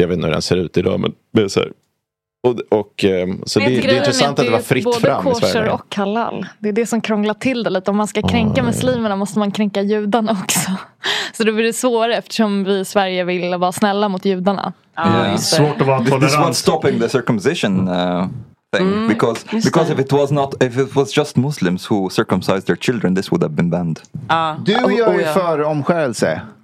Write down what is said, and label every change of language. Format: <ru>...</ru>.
<sv>Jag vet inte hur den ser ut idag, men det är så här. Och så det är intressant att det var fritt fram i Sverige. Både kosher och halal. Det är det som krånglar till det lite. Om man ska kränka muslimerna måste man kränka judarna också. Så då blir det svårare eftersom vi i Sverige vill vara snälla mot judarna. Svårt att vara tolerant.</sv> <en>This is what's stopping the circumcision thing. Because if it was not, if it was just Muslims who circumcised their children, this would have been banned.</en> <sv>Du gör ju för omskärelse.</sv>